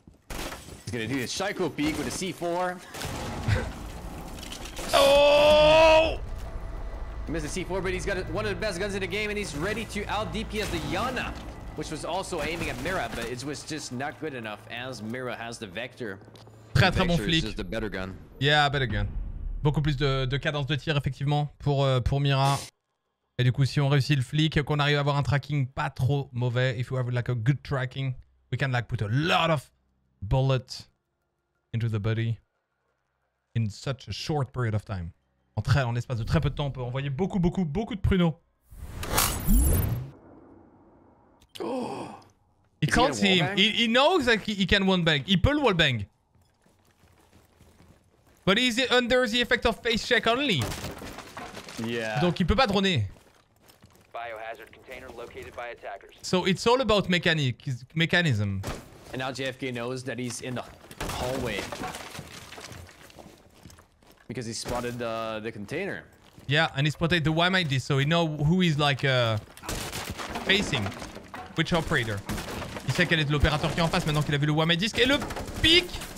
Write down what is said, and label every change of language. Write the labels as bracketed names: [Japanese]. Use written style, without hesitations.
[English] He's gonna do the psycho peek with a C4. Oh! He missed a C4, but he's got one of the best guns in the game and he's ready to out DPS the Yana. Which was also aiming at Mira, but it was just not good enough as Mira has the Vector. [French] Très très bon flic. [English] The better gun. Yeah, better gun. [French] Beaucoup plus de cadence de tir effectivement pour Mira. Et du coup, si on réussit le flic, qu'on arrive à avoir un tracking pas trop mauvais, [English] if we have like a good tracking, we can like put a lot of bullets into the body in such a short period of time. [French] En l'espace de très peu de temps, on peut envoyer beaucoup beaucoup beaucoup de pruneaux. Oh. [English] He can't see him. He knows that he can wallbang. He pull wallbang. But he's under the effect of face check only. Yeah. [French] Donc il peut pas droner. [English] Biohazard container located by attackers. So it's all about mechanism. And now JFK knows that he's in the hallway. Because he spotted the container. Yeah, and he spotted the YMID, so he know who he's like facing. Which operator? [French] Il sait quel est l'opérateur qui est en face maintenant qu'il a vu le WAMI disque et le pic.